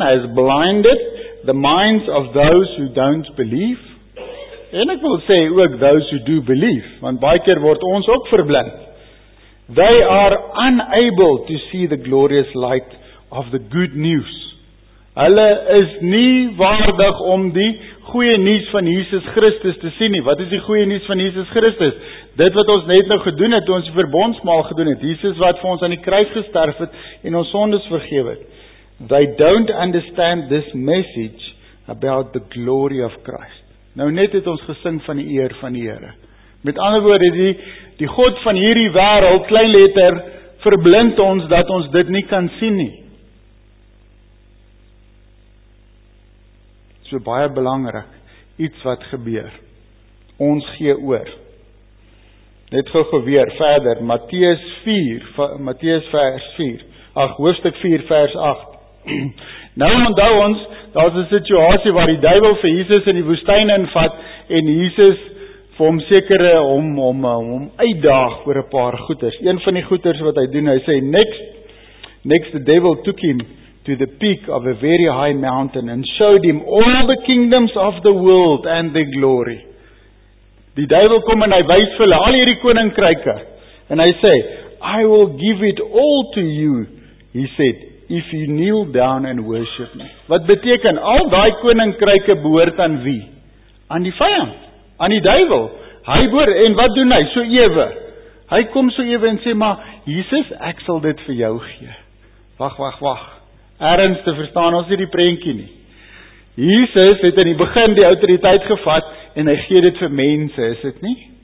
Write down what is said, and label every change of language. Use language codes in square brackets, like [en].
[en] Hy is blinded the minds of those who don't believe. [af] En ek wil sê ook [en] those who do believe, [af] want baie keer word ons ook verblind. [en] They are unable to see the glorious light of the good news. [af] Hulle is nie waardig om die goeie nuus van Jesus Christus te sien nie. Wat is die goeie nuus van Jesus Christus? Dit wat ons net nou gedoen het, ons verbondsmaal gedoen het. Jesus wat vir ons aan die kruis gesterf het en ons sondes vergewe het. [en] They don't understand this message about the glory of Christ. [af] Nou net het ons gesing van die eer van die Here. Met ander woorde, die God van hierdie wêreld, klein letter, verblind ons dat ons dit nie kan sien nie. So baie belangrik, iets wat gebeur. Ons gee oor. Net gou weer, verder, Matteus 4, hoofstuk 4, vers 8. Nou onthou ons, daar is 'n situasie waar die duivel vir Jesus in die woestyn invat en Jesus vir hom sekere om uitdaag oor 'n paar goeders. Een van die goeders wat hy doen, hy sê, [en] Next the devil took him to the peak of a very high mountain and showed him all the kingdoms of the world and their glory. [af] Die duivel kom en hy wys vir hulle al hierdie koninkryke. [en] En hy sê, I will give it all to you, he said, if you kneel down and worship me. [af] Wat beteken, al daai koninkryke behoort aan wie? Aan die vyand. Aan die duivel, hy boor, en wat doen hy? So ewe, hy kom so ewe en sê, maar Jesus, ek sal dit vir jou gee. Wag, ergens te verstaan, ons nie die prentjie nie. Jesus het in die begin die autoriteit gevat, en hy gee dit vir mense, is dit nie?